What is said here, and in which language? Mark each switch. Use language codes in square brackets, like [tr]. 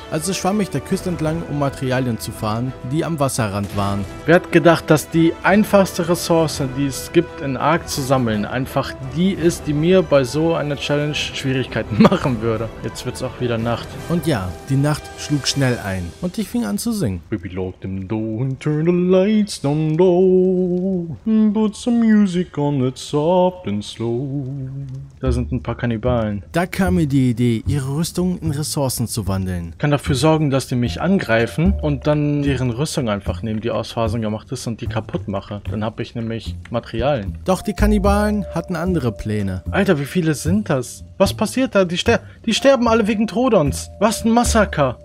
[de] Also schwamm ich der Küste entlang, um Materialien zu farmen, die am Wasserrand waren. Wer hat gedacht, dass die einfachste Ressource, die es gibt, in Ark zu sammeln, einfach die ist, die mir bei so einer Challenge Schwierigkeiten machen würde? Jetzt wird es auch wieder Nacht. Und ja, die Nacht schlug schnell ein und ich fing an zu singen. [en] Baby, lock them door and turn the lights down low. Put some music on it soft and slow. [de] Da sind ein paar Kannibalen. Da kam mir die Idee, ihre Rüstung in Ressourcen zu wandeln. Kann dafür sorgen, dass die mich angreifen und dann deren Rüstung einfach nehmen, die Ausfasern gemacht ist und die kaputt mache. Dann habe ich nämlich Materialien. Doch die Kannibalen hatten andere Pläne. Alter, wie viele sind das? Was passiert da? Die sterben alle wegen Trodons. Was ein Massaker.